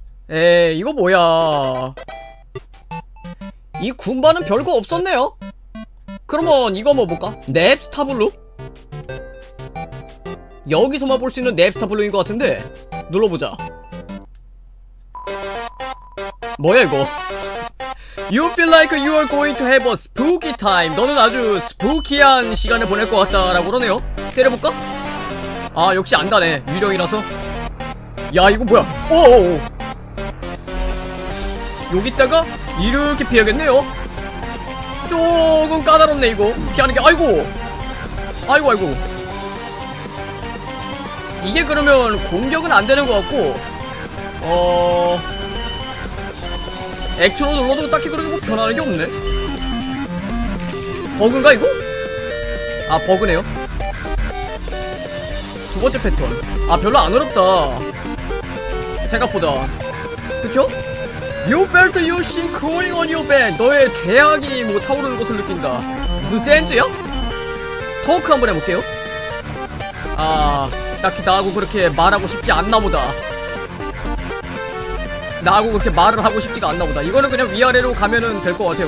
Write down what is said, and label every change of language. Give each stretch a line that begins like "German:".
Korean: 에이, 이거 뭐야? 이 군바는 별거 없었네요. 그러면 이거 먹어볼까? 넵스타블루? 여기서만 볼 수 있는 넵스타블루인 것 같은데 눌러보자. 뭐야 이거?
English: You feel like you are going to have a spooky time.
Korean: 너는 아주 스푸키한 시간을 보낼 것 같다라고 그러네요. 때려볼까? 아, 역시 안다네, 유령이라서. 야, 이거 뭐야? 오오오. 여기다가 이렇게 피해야겠네요. 조금 까다롭네 이거 피하는 게. 아이고, 아이고, 아이고. 이게 그러면 공격은 안 되는 것 같고, 액션으로 눌러도 딱히 그렇게 뭐 변하는 게 없네. 버그인가 이거? 아, 버그네요. 두 번째 패턴. 아, 별로 안 어렵다 생각보다. 그쵸?
English: You felt your sin crawling on your band.
Korean: 너의 죄악이 뭐 타오르는 것을 느낀다. 무슨 센즈야? 토크 한번 해볼게요. 아, 딱히 나하고 그렇게 말하고 싶지 않나보다. 나하고 그렇게 말을 하고 싶지가 않나보다. 이거는 그냥 위아래로 가면은 될 것 같아요.